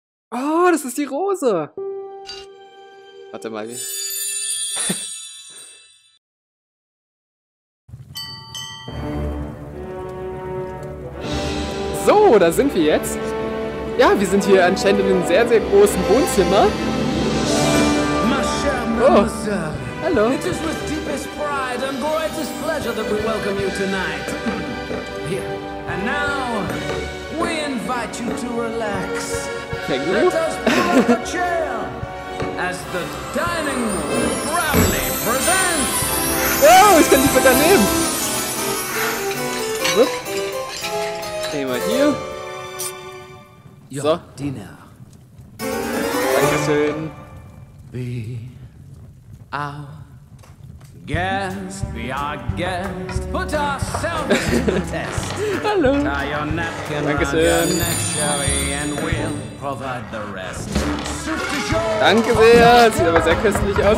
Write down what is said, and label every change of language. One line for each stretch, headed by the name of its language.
German: Oh, das ist die Rose! Warte mal. So, da sind wir jetzt. Ja, wir sind hier anscheinend in einem sehr, sehr großen Wohnzimmer. Oh, hallo.
English: It is with deepest pride and greatest pleasure that we welcome you tonight. Here. And now, we invite you to relax. Thank you. Let us pull up a chair as the dining room proudly presents.
German: Oh, ich kann die Butter nehmen.
English: Whoop. Stay right here. Your dinner.
German: Dankeschön.
English: Be. Our guest, be our guest, put ourselves to the test. Hello. Tie your napkin around your neck, shall we, and we'll provide the rest.
German: Danke sehr, sieht aber sehr köstlich aus.